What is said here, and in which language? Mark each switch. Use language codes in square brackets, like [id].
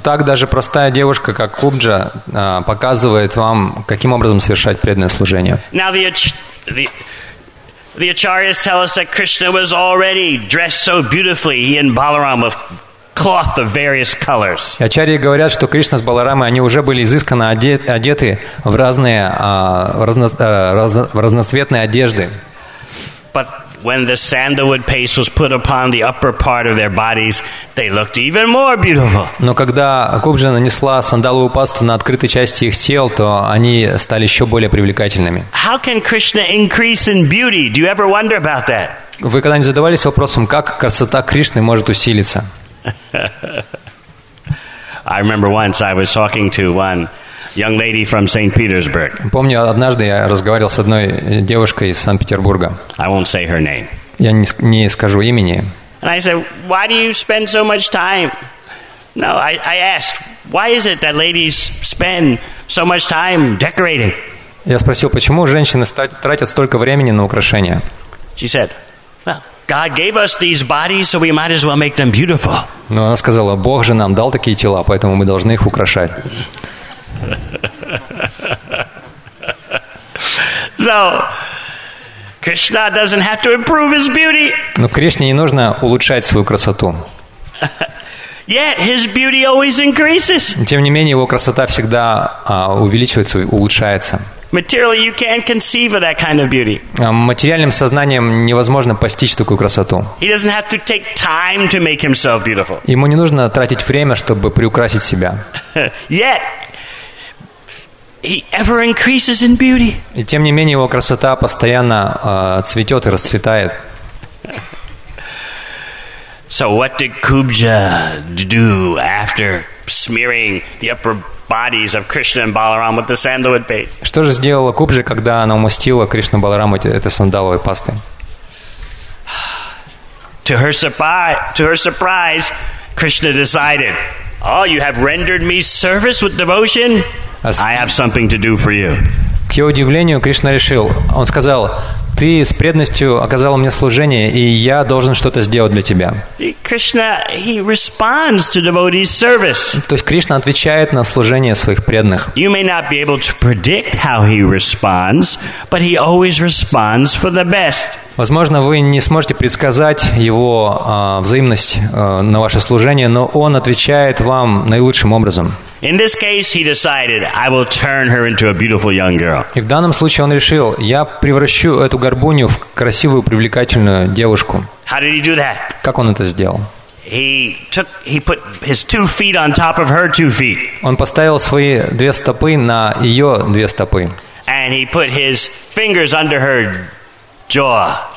[ru] Так даже простая девушка, как Кубджа, показывает вам, каким образом совершать преданное служение. [en] Now the acharyas tell us that Krishna was already dressed so beautifully, he and Balaram of cloth of various colors. [ru] Ачарьи говорят, что Кришна с Баларамой они уже были изысканно одеты в разные разноцветные одежды. [en] But when the sandalwood paste was put upon the upper part of their bodies, they looked even more beautiful. [ru] Но когда Кубджа нанесла сандаловую пасту на открытые части их тел, то они стали еще более привлекательными. [en] How can Krishna increase in beauty? Do you ever wonder about that? [ru] Вы когда-нибудь задавались вопросом, как красота Кришны может усилиться? [en] I remember once I was talking to one young lady from St. Petersburg. [ru] Помню, однажды я разговаривал с одной девушкой из Санкт-Петербурга. [en] I won't say her name. [ru] Я не скажу имени. [en] And I said, "Why do you spend so much time?" No, I asked, "Why is it that ladies spend so much time decorating?" [ru] Я спросил, почему женщины тратят столько времени на украшения. [en] She said, "Well, God gave us these bodies, so we might as well make them beautiful." [ru] Но она сказала, Бог же нам дал такие тела, поэтому мы должны их украшать. [en] So, Krishna doesn't have to improve his beauty. [ru] Но Кришне не нужно улучшать свою красоту. [en] Yet his beauty always increases. [ru] Тем не менее, его красота всегда увеличивается, улучшается. [en] Materially, you can't conceive of that kind of beauty. [ru] Материальным сознанием невозможно постичь такую красоту. [en] He doesn't have to take time to make himself beautiful. [ru] Ему не нужно тратить время, чтобы приукрасить себя. [en] Yet he ever increases in beauty. [ru] И тем не менее его красота постоянно цветет и расцветает. [en] So what did Kubja do after smearing the upper bodies of Krishna and Balaram with the sandalwood paste? [ru] Что же сделала Кубжа, когда она умастила Кришну Балараму этой сандаловой пастой? [en] To her surprise, Krishna decided, "Oh, you have rendered me service with devotion. I have something to do for you." [ru] К ее удивлению, Кришна решил. Он сказал: "Ты с преданностью оказал мне служение, и я должен что-то сделать для тебя." [en] Krishna, he responds to devotee's service. [ru] То есть Кришна отвечает на служение своих преданных. [en] You may not be able to predict how he responds, but he always responds for the best. [ru] Возможно, вы не сможете предсказать его взаимность на ваше служение, но он отвечает вам наилучшим образом. [en] In this case, he decided, "I will turn her into a beautiful young girl." [ru] И в данном случае он решил, я превращу эту горбуню в красивую привлекательную девушку. [en] How did he do that? [ru] Как он это сделал? [en] He put his two feet on top of her two feet. [ru] Он поставил свои две стопы на ее две стопы. [en] And he put his fingers under her jaw.